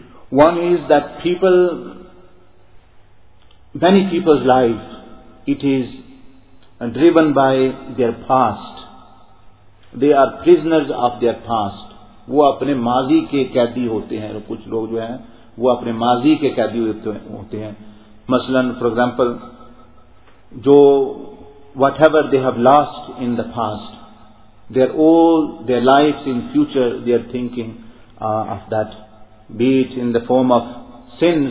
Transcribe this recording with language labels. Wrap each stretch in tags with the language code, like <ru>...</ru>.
<en>One is that people, many people's life, it is driven by their past. They are prisoners of their past.</en> <ur>وہ اپنے ماضی کے قیدی ہوتے ہیں. کچھ لوگ جو ہیں وہ اپنے ماضی کے قیدی ہوتے ہیں.</ur> <en>مثلاً for example, جو whatever they have lost in the past, their all their life in future, they are thinking of that, be it in the form of son.</en>